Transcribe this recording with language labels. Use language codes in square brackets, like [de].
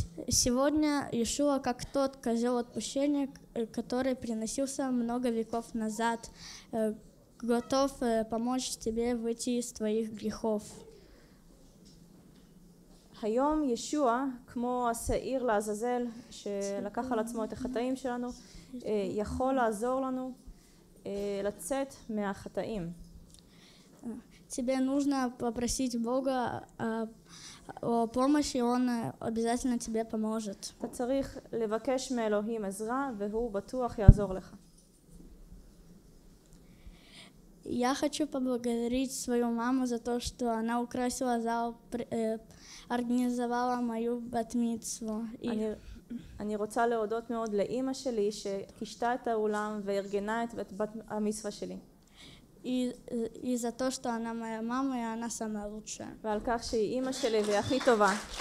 [ru] Сегодня Иешуа как тот козёл отпущения, который приносился много веков назад, готов помочь тебе выйти из твоих грехов. [he] היום ישועה כמו השעיר לעזאזל שלקח על עצמו את החטאים שלנו יכול לעזור לנו לצאת מהחטאים. [ru] Тебе нужно попросить Бога о помощи, он обязательно тебе поможет. [he] אתה צריך לבקש מאלוהים עזרה והוא בטוח יעזור לך. [ru] Я хочу поблагодарить свою маму за то, что она украсила зал, организовала мою бат-мицву. [he] אני רוצה להודות מאוד לאמא שלי שכישתה את האולם וארגנה את בת-המצווה שלי. [ru] И за то, что она моя мама, и она самая лучшая. [he] ועל כך שהיא אמא שלי והיא הכי טובה.